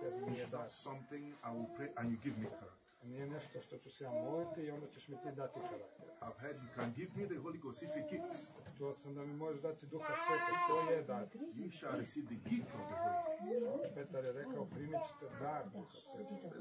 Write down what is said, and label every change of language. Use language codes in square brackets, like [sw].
[en] It's not something I will pray and you give me character. [hr] Nije nešto što ću se ja moliti i onda ćeš mi ti dati karakter. [en] I've heard you can give me the Holy Ghost, it's a gift. [hr] Čuo sam da mi možeš dati Duha Svetog, to je dar. [en] You shall receive the gift of the Holy Ghost. [hr] Petar je rekao, primit ćete dar Duha Svetog.